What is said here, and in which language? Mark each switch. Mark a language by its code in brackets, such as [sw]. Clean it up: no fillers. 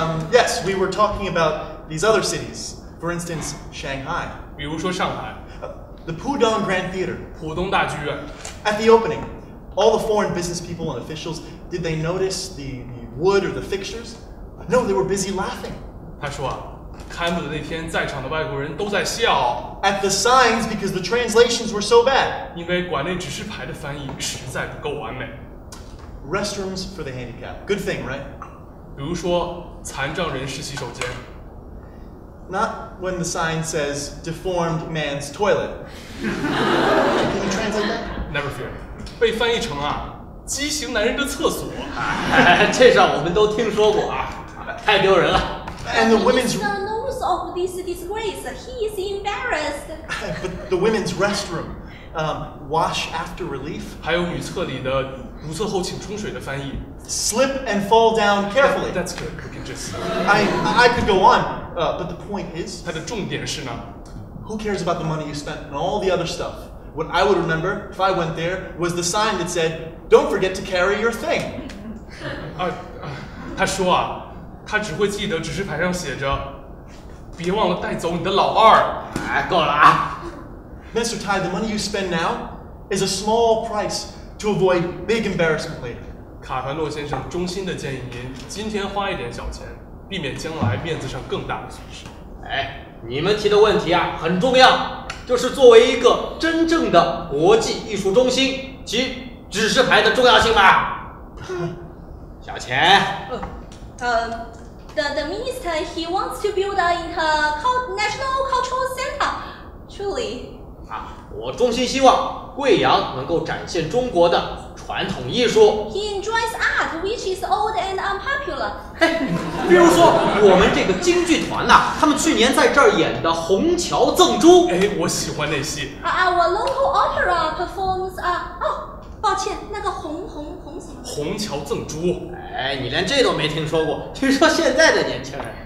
[en] Yes, we were talking about these other cities. For instance, Shanghai. [zh] 比如说上海。 [en] The Pudong Grand Theater. [zh] 浦东大剧院。 [en] At the opening, all the foreign business people and officials, did they notice the wood or the fixtures? No, they were busy laughing. [zh] 他说啊，开幕的那天，在场的外国人都在笑。 [en] At the signs, because the translations were so bad. [zh] 因为馆内指示牌的翻译实在不够完美。 [en] Restrooms for the handicapped. Good thing, right? [zh] 比如说残障人士洗手间。 [en] Not when the sign says deformed man's toilet. Can you translate that? Never fear. [zh] 被翻译成啊，畸形男人的厕所。这事我们都听说过啊，太丢人了。 [en] And the women's. He is the nose of this disgrace. He is embarrassed. But the women's restroom, wash after relief. [zh] 还有女厕里的如厕后请冲水的翻译。 [en] Slip and fall down carefully. That's good. We can just. I could go on. But the point is, [zh] 它的重点是呢 [en] who cares about the money you spent and all the other stuff? What I would remember if I went there was the sign that said, "Don't forget to carry your thing." [zh] 他说啊，他只会记得指示牌上写着，别忘了带走你的老二。哎，够了啊 [en] ，Mr. Tai, the money you spend now is a small price to avoid big embarrassment later. [zh] 卡凡诺先生衷心的建议您今天花一点小钱。避免将来面子上更大的损失。哎，你们提的问题啊很重要，就是作为一个真正的国际艺术中心，即指示牌的重要性吧。小钱。 [en] The minister he wants to build a national cultural center. Truly. [zh] 啊，我衷心希望贵阳能够展现中国的传统艺术。 [en] He enjoys art, which is old and unpopular. [zh] 比如说我们这个京剧团呐、啊，他们去年在这儿演的《虹桥赠珠》。哎，我喜欢那戏。 [en] Our local opera performs [zh] 啊、哦，抱歉，那个红什么？虹桥赠珠。哎，你连这都没听说过，听说现在的年轻人。